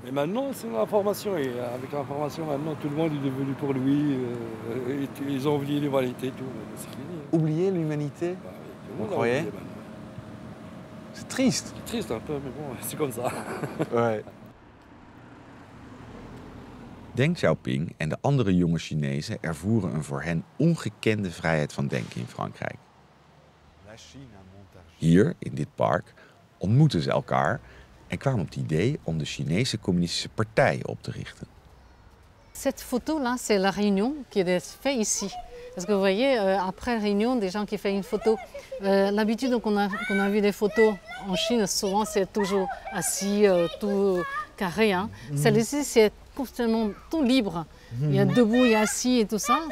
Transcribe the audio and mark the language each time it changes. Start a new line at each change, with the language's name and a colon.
French: Et maintenant, c'est l'information. Et avec l'information, maintenant, tout le monde est devenu pour lui. Ils ont oublié l'humanité et tout. Oublier l'humanité? Vous croyez? C'est triste. C'est triste un peu, mais bon, c'est comme ça. Ouais.
Dutch: Deng Xiaoping en de andere jonge Chinezen ervoeren een voor hen ongekende vrijheid van denken in Frankrijk. Hier, in dit park, ontmoeten ze elkaar en kwamen op het idee om de Chinese Communistische Partij op te richten.
French: Cette photo-là, c'est la réunion qui est faite ici. Parce que vous voyez, après la réunion, des gens qui font une photo. L'habitude qu'on a vu des photos en Chine, souvent, c'est toujours assis, tout carré. Celle-ci, c'est constamment tout libre. Il y a debout, il y a assis et tout ça.